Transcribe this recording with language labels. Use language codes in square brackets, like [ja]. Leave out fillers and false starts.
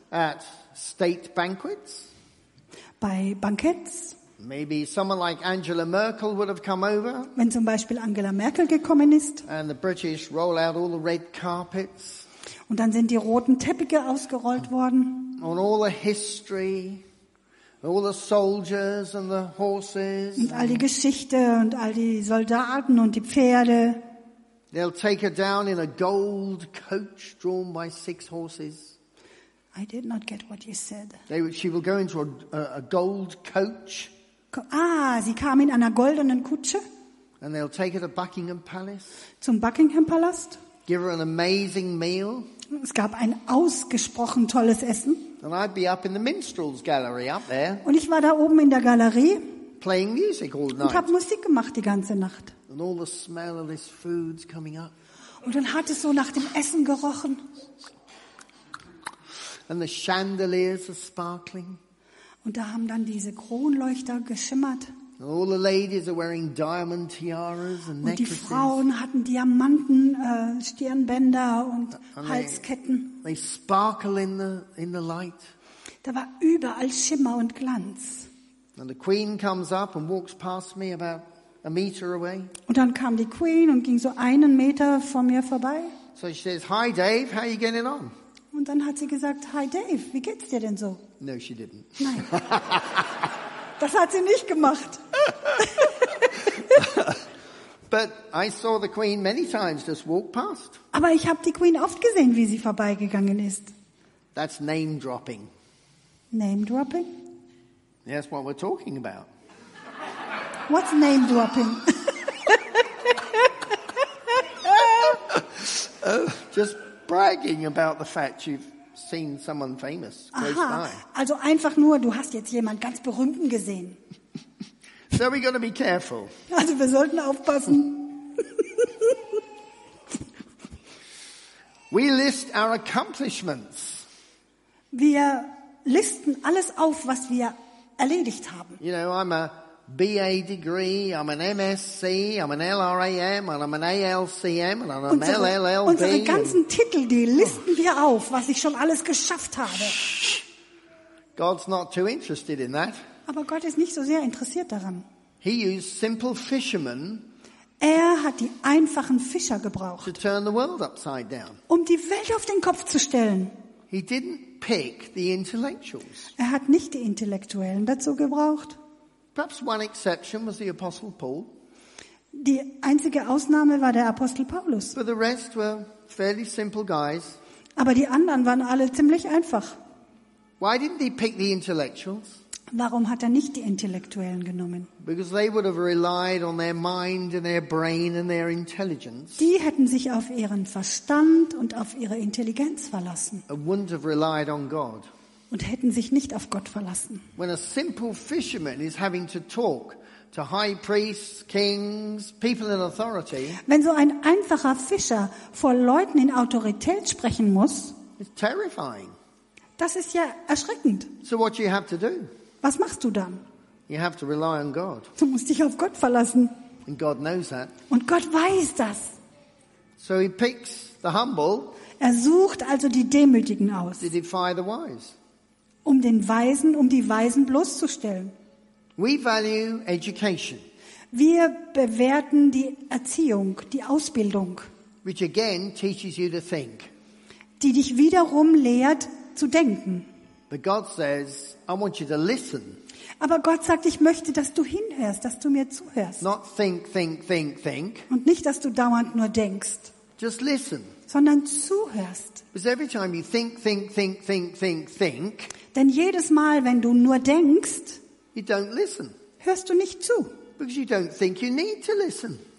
[en] At state banquets. [de] Bei Banketts. [en] Maybe someone like Angela Merkel would have come over. [de] Wenn zum Beispiel Angela Merkel gekommen ist. [en] And the British roll out all the red carpets. [de] Und dann sind die roten Teppiche ausgerollt worden. [en] On all the history, all the soldiers and the horses. [de] Und all die Geschichte und all die Soldaten und die Pferde. [en] They'll take her down in a gold coach drawn by 6 horses. I did not get what you said. She will go into a gold coach. [de] Ah, sie kam in einer goldenen Kutsche. [en] And they'll take her to Buckingham Palace. [de] Zum Buckingham Palast. [en] Give her an amazing meal. [de] Es gab ein ausgesprochen tolles Essen. [en] And I'd be up in the minstrels gallery up there. [de] Und ich war da oben in der Galerie. [en] Playing music all night. [de] Und hab Musik gemacht die ganze Nacht. [en] And all the smell of this food's coming up. [de] Und dann hat es so nach dem Essen gerochen. [en] And the chandeliers are sparkling. [de] Und da haben dann diese Kronleuchter geschimmert. [en] All the ladies are wearing diamond tiaras and necklaces. [de] Und die Frauen hatten Diamanten Stirnbänder und Halsketten. [en] They sparkle in the light. [de] Da war überall Schimmer und Glanz. [en] And the queen comes up and walks past me about a meter away. [de] Und dann kam die Queen und ging so einen Meter vor mir vorbei. [en] So she says, "Hi Dave, how are you getting on?" [de] Und dann hat sie gesagt, "Hi Dave, wie geht's dir denn so?" [en] No, she didn't. [de] Nein. Das hat sie nicht gemacht. [en] But I saw the Queen many times just walk past. [de] Aber ich habe die Queen oft gesehen, wie sie vorbeigegangen ist. [en] That's name dropping. Name dropping? That's what we're talking about. What's name dropping? Just bragging about the fact you've seen someone famous close. Aha, by. [de] Also einfach nur, du hast jetzt jemanden ganz berühmten gesehen. [en] So we gotta be careful. [de] Also wir sollten aufpassen. [en] We list our accomplishments. [de] Wir listen alles auf, was wir erledigt haben. [en] You know, I'm a BA degree, I'm an MSc, I'm an LRAM, and I'm an ALCM, and I'm an LLB. [de] Unsere ganzen Titel, die listen wir auf, was ich schon alles geschafft habe. [en] God's not too interested in that. [de] Aber Gott ist nicht so sehr interessiert daran. [en] He used simple fishermen. [de] Er hat die einfachen Fischer gebraucht, [en] to turn the world upside down. [de] Um die Welt auf den Kopf zu stellen. [en] He didn't pick the intellectuals. [de] Er hat nicht die Intellektuellen dazu gebraucht. [en] Perhaps one exception was the Apostle Paul. [de] Die einzige Ausnahme war der Apostel Paulus. [en] But the rest were fairly simple guys. [de] Aber die anderen waren alle ziemlich einfach. [en] Why didn't he pick the intellectuals? [de] Warum hat er nicht die Intellektuellen genommen? [en] Because they would have relied on their mind and their brain and their intelligence. [de] Die hätten sich auf ihren Verstand und auf ihre Intelligenz verlassen. [en] And wouldn't have relied on God. [de] Und hätten sich nicht auf Gott verlassen. [en] When a simple fisherman is having to talk to high priests, kings, people in authority. [de] Wenn so ein einfacher Fischer vor Leuten in Autorität sprechen muss, [en] it's terrifying. [de] Das ist ja erschreckend. [en] So what you have to do? [de] Was machst du dann? [en] You have to rely on God. [de] Du musst dich auf Gott verlassen. [en] And God knows that. [de] Und Gott weiß das. [en] So he picks the humble. [de] Er sucht also die Demütigen aus. [en] To defy the wise. [de] Um die Weisen bloßzustellen. [en] We value education. [de] Wir bewerten die Erziehung, die Ausbildung, [en] which again teaches you to think. [de] Die dich wiederum lehrt zu denken. [en] But God says, I want you to listen. [de] Aber Gott sagt, ich möchte, dass du hinhörst, dass du mir zuhörst. [en] Not think, think, think, think. [de] Und nicht, dass du dauernd nur denkst. [en] Just listen. [de] Sondern zuhörst. [en] Because every time you think, think, think, think, think, think. [de] Denn jedes Mal, wenn du nur denkst, [en] you don't listen. [de] Hörst du nicht zu. [en] Because you don't think you need to listen.